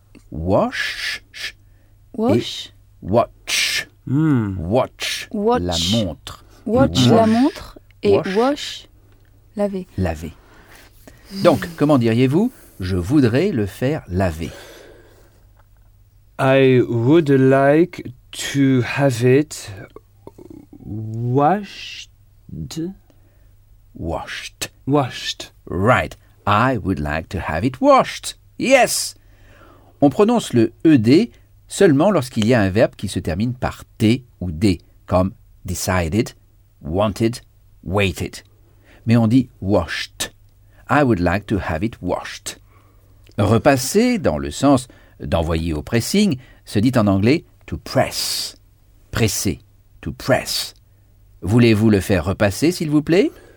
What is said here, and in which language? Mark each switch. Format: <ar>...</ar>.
<en>Wash. Wash. Watch. Mm. Watch. Watch.</en> <fr>La montre.</fr> <en>Watch, wash.</en> <fr>La montre. Et wash, laver. Laver. Donc, comment diriez-vous? Je voudrais le faire laver.</fr> <en>I would like to have it washed. Washed. Washed. Right. I would like to have it washed. Yes.</en> <fr>On prononce le ED seulement lorsqu'il y a un verbe qui se termine par T ou D, comme</fr> <en>decided, wanted, waited.</en> <fr>Mais on dit washed.</fr> <en>I would like to have it washed.</en> <fr>Repasser, dans le sens d'envoyer au pressing, se dit en anglais</fr> <en>to press.</en> <fr>Presser,</fr> <en>to press.</en> <fr>Voulez-vous le faire repasser, s'il vous plaît?</fr>